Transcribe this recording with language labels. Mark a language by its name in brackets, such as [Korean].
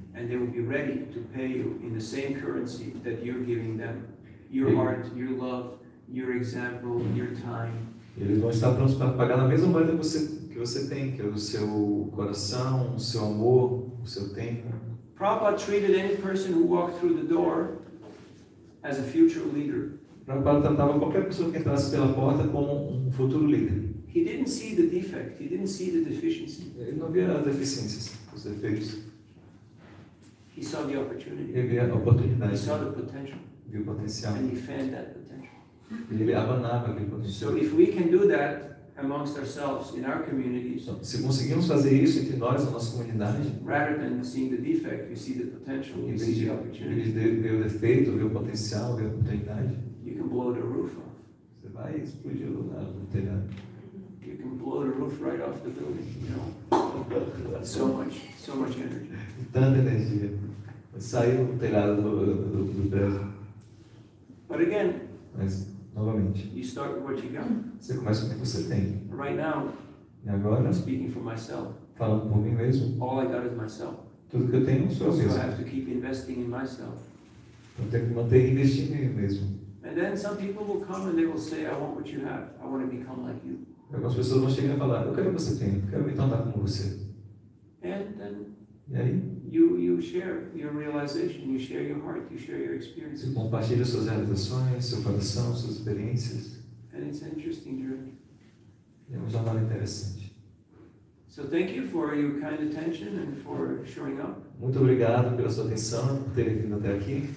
[English] And they will be ready to pay you in the same currency that you're giving them. Your heart, your love, your example, your time. [Portuguese] Eles vão estar prontos para pagar na mesma moeda que você tem, que é o seu coração, o seu amor, o seu tempo. [English] Prabhupada treated any person who walked through the door as a future leader. [Portuguese] Prabhupada tratava qualquer pessoa que entrasse pela porta como um futuro líder. [English] He didn't see the defect, he didn't see the deficiency. [Portuguese] Ele não via as deficiências, os defeitos. [English] He saw the opportunity. [Portuguese] Ele via a oportunidade. [English] He saw the potential. [Portuguese] Viu o potencial. [English] And he fed that potential. [Portuguese] E ele abanava aquele potencial. [English] So if we can do that amongst ourselves in our communities. [Portuguese] Então, se conseguimos fazer isso entre nós, na nossa comunidade. [English] Rather than seeing the defect, you see the potential. [Portuguese] Em vez de ver o defeito, ver o potencial, ver a oportunidade. [English] You can blow the roof off. [Portuguese] Você vai explodir o telhado. [English] You can blow the roof right off the building, you know. So much energy. [Portuguese] Tanta energia. Saiu do telhado do prédio. [English] But again. [Portuguese] Mas, novamente. [English] You start with what you got. [Portuguese] Você começa com o que você tem. [English] Right now. [Portuguese] E agora? [English] I'm speaking for myself. [Portuguese] Falando por mim mesmo. [English] All I got is myself. [Portuguese] Tudo que eu tenho sou eu mesmo. [English] So I have to keep investing in myself. [Portuguese] Então tenho que manter investindo em mim mesmo. [English] And then some people will come and they will say, I want what you have. I want to become like you. [Portuguese] Algumas pessoas vão chegar e falar, eu quero o que você tem, eu quero me tornar como você. [English] And then [Portuguese] e aí? [English] You share your realization, you share your heart, you share your experience. [Portuguese] Você compartilha suas realizações, seu coração, suas experiências. [English] And it's an interesting journey. [Portuguese] É uma jornada interessante. [English] So thank you for your kind attention and for showing up. [Portuguese] Muito obrigado pela sua atenção, por ter vindo até aqui.